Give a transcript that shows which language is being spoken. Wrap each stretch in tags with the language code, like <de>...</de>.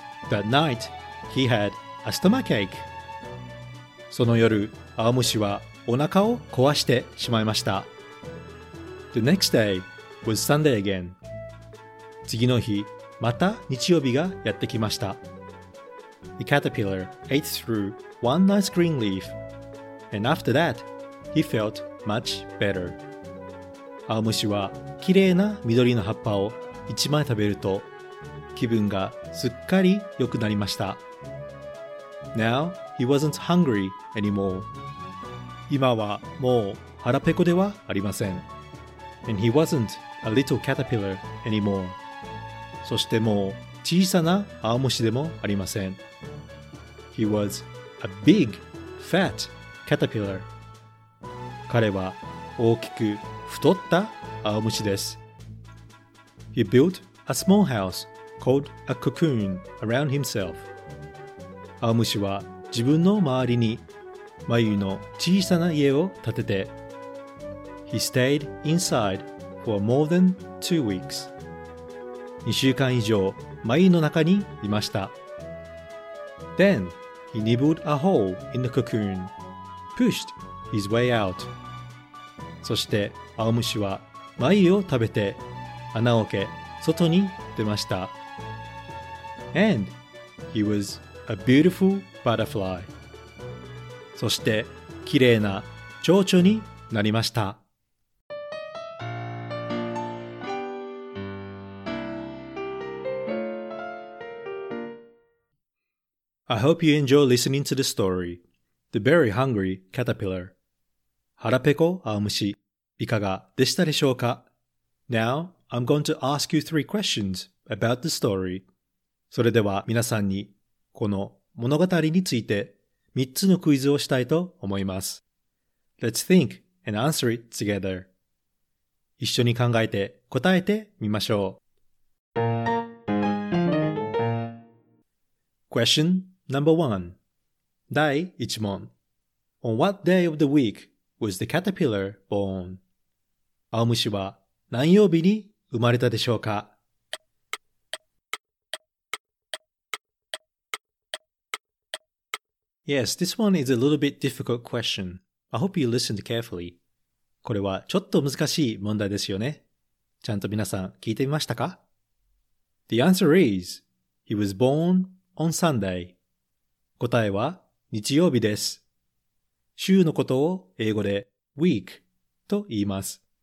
<en>That night, he had a stomachache.</en> <ja>その夜、アオムシはお腹を壊してしまいました。</ja> <en>The next day was Sunday again.</en> <ja>次の日、また日曜日がやってきました。</ja> <en>The caterpillar ate through one nice green leaf, and after that, he felt much better.</en> <ja>アオムシはきれいな緑の葉っぱを一枚食べると、気分がすっかり良くなりました。</ja> <en>Now, he wasn't hungry anymore.</en> <ja>今はもう腹ペコではありません。</ja> <en>And he wasn't a little caterpillar anymore.</en> <ja>そしてもう小さなアオムシでもありません。</ja> <en>He was a big, fat caterpillar.</en> <ja>彼は大きく太ったアオムシです。</ja> <en>He built a small house called a cocoon around himself.</en> <ja>アオムシは自分の周りに繭の小さな家を建てて、</ja> <en>He stayed inside for more than 2 weeks.</en> <ja>2週間以上繭の中にいました。</ja> <en>Then he nibbled a hole in the cocoon, pushed his way out.</en> <ja>そしてアオムシは繭を食べて穴を開け外に出ました。</ja> <en>And he was a beautiful butterfly.</en> <ja>そしてきれいな蝶々になりました。</ja> <en>I hope you enjoy listening to the story, The Very Hungry Caterpillar.</en> <ja>腹ペコアオムシ、いかがでしたでしょうか?</ja> <en>Now, I'm going to ask you 3 questions about the story.</en> <ja>それでは皆さんに、この物語について3つのクイズをしたいと思います。</ja> <en>Let's think and answer it together.</en> <ja>一緒に考えて答えてみましょう。</ja> <en>Question number one.</en> <ja>第一問。</ja> <en>On what day of the week was the caterpillar born?</en> <ja>アオムシは何曜日に生まれたでしょうか?</ja> <en>Yes, this one is a little bit difficult question. I hope you listened carefully.</en> <ja>これはちょっと難しい問題ですよね。ちゃんと皆さん聞いてみましたか?</ja> <en>The answer is, he was born... On Sunday.</en> <ja>答えは日曜日です。週のことを英語で week と言います。</ja>